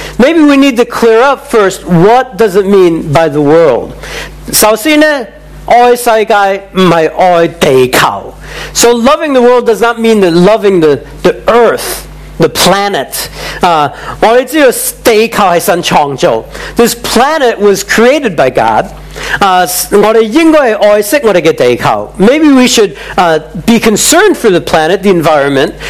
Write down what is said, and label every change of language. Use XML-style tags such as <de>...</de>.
<en>Maybe we need to clear up first, what does it mean by the world?</en> <yue>首先呢，爱世界唔系爱地球。</yue> <en>So loving the world does not mean that loving the earth. The planet. This planet was created by God. Maybe we should be concerned for the planet, the environment.</en>